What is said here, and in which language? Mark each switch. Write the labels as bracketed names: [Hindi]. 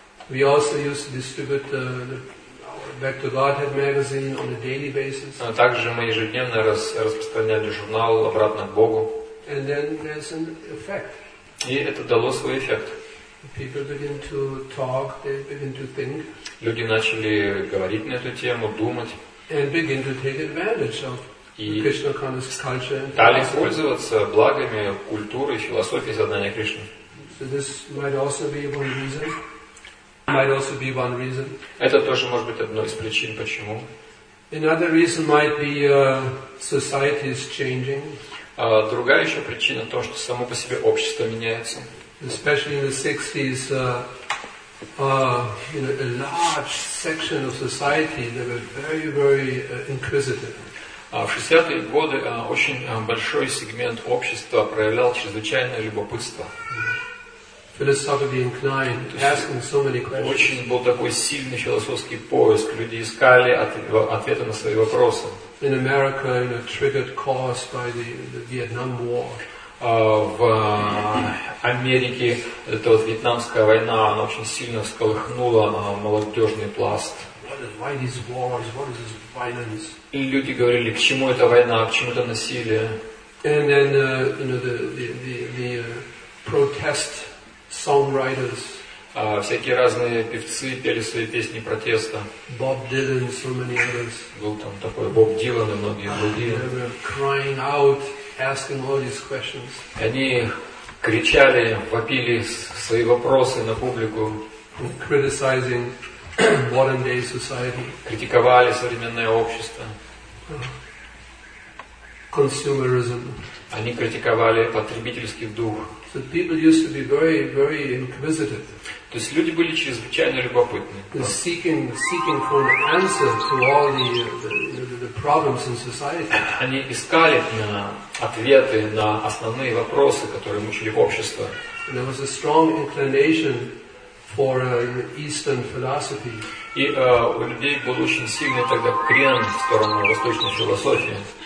[English] We also used to distribute our Back to Godhead magazine on a daily basis. [Russian] Также мы ежедневно распространяли журнал «Обратно к Богу». [English] And then there's an effect. [Russian] И это дало свой эффект. [English] People begin to talk. They begin to think. [Russian] Люди начали говорить на эту тему, думать. [English] And begin to take advantage of Krishna consciousness culture. [Russian] Стали пользоваться благами культуры и философии сознания Кришны. [English] So this might also be one reason. Might also be one reason. [Russian] Это тоже может быть одной из причин, почему. [English] Another reason might be society is changing. [Russian] Другая еще причина то, что само по себе общество меняется. [English] Especially in the 60s. A large section of society that were very, very inquisitive. [Russian] В 60-е годы очень большой сегмент общества проявлял чрезвычайное любопытство. [English] philosophically inclined, asking so many questions. [Russian] Очень был такой сильный философский поиск. Люди искали ответы на свои вопросы. [English] In America, you know, triggered caused by the Vietnam War. [Russian] В Америке эта вот вьетнамская война, она очень сильно всколыхнула молодежный пласт. [English] Why these wars? What is this violence? [Russian] И люди говорили, к чему эта война, к чему это насилие? [English] And then, you know, the protest songwriters. [Russian] Всякие разные певцы пели свои песни протеста. [English] Bob Dylan, so many others. [Russian] Был там такой Bob Dylan и многие другие. [English] They were crying out, asking all these questions. [Russian] Они кричали, вопили свои вопросы на публику. [English] Criticizing modern day society. [Russian] Критиковали современное общество. [English] Consumerism. [Russian] Они критиковали потребительский дух. [English] So people used to be very, very inquisitive. [Russian] То есть люди были чрезвычайно любопытны. [English] Seeking for an answer to all the problems in society. [Russian] Они искали ответы на основные вопросы, которые мучили общество. [English] There was a strong inclination for Eastern philosophy. [Russian] И у людей был очень сильный тогда крен в сторону восточной философии.